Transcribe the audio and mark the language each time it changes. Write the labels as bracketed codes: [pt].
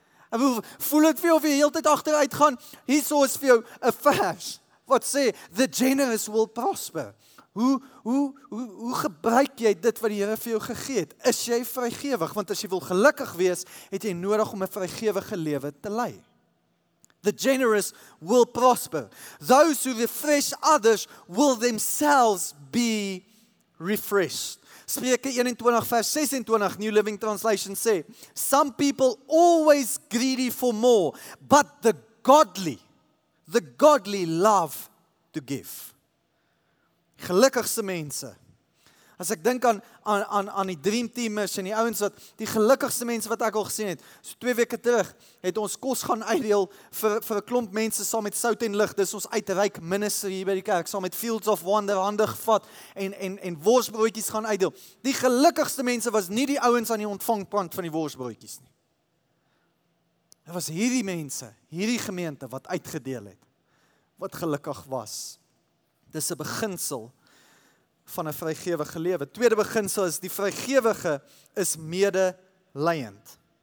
[af] Ek wil voel dit vir jou of jy heeltyd agteruit gaan. Hierso is vir jou 'n vers wat sê [en] the generous will prosper. [af] Hoe gebruik jy dit wat die Here vir jou gegee het? Is jy vrygewig? Want as jy wil gelukkig wees, het jy nodig om 'n vrygewige lewe te lei. [en] The generous will prosper. Those who refresh others will themselves be refreshed. [af] Spreuke 21 vers 26 New Living Translation sê, [en] "Some people always greedy for more, but the godly love to give." [af] Gelukkigste mense. As ek dink aan die dream teamers en die ouens wat die gelukkigste mense wat ek al gesien het, so 2 weke terug het ons kos gaan uitdeel vir 'n klomp mense saam met Sout en Lig. Dis ons uitreik ministry hier by die kerk saam met Fields of Wonder hande gevat en worsbroodjies gaan uitdeel. Die gelukkigste mense was nie die ouens aan die ontvangkant van die worsbroodjies nie. Dit was hierdie mense, hierdie gemeente wat uitgedeel het, wat gelukkig was. Dis 'n beginsel van 'n vrygewige lewe. Tweede beginsel is die vrygewige is medelyend.